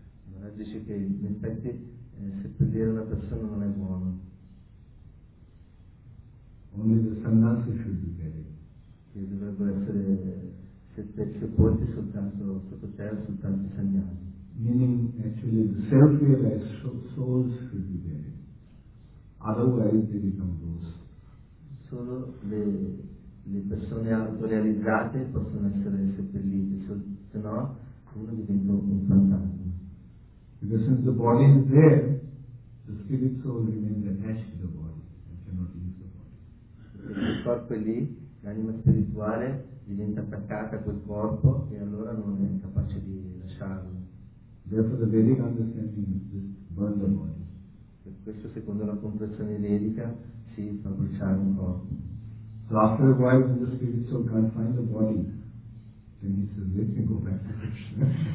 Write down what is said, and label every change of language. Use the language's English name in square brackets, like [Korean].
[Italian] Allora dice che in effetti seppellire una persona non è buono. [English] Only the sannyasi should be buried. [Italian] Che dovrebbe essere sepolti soltanto sotto terra, soltanto sannyasi. [English] Meaning actually the self-realized souls should be buried. Otherwise they become ghosts. [Italian] Solo le persone autorealizzate possono essere seppellite, se no uno diventa un fantasma. [English] Because since the body is there, the spirit soul remains attached to the body and cannot leave the body. [Italian] Perché il corpo è lì, l'anima spirituale diventa attaccata a quel corpo e allora non è capace di lasciarlo. [English] Therefore the Vedic understanding is just burn the body. [Italian] Per questo secondo la comprensione vedica si fa bruciare un corpo. [English] So after a while when the spirit soul can't find the body, then he says, let me go back to Krishna.